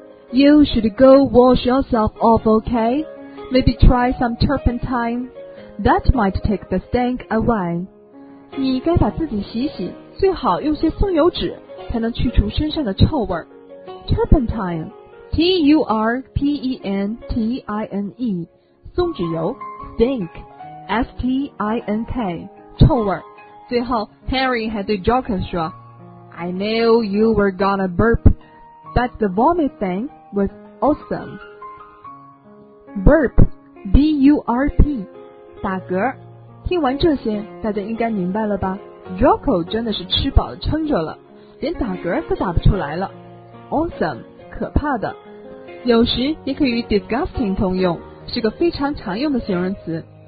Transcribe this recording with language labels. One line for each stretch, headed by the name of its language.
English: 、You should go wash yourself off, okay? Maybe try some turpentine. That might take the stink away.
Chinese: 你该把自己洗洗，最好用些松油纸，才能去除身上的臭味。 Turpentine, T-U-R-P-E-N-T-I-N-E, 松脂油 stink.
English: S-T-I-N-K,
Chinese: 臭味。最后 Harry 还对 Joker 说
English: I knew you were gonna burp, but the vomit thing was awesome.
Chinese: Burp, B-U-R-P, 打嗝。听完这些大家应该明白了吧？ Jocko 真的是吃饱了撑着了，连打嗝都打不出来了。 Awesome， 可怕的，有时也可以与 disgusting 通用，是个非常常用的形容词。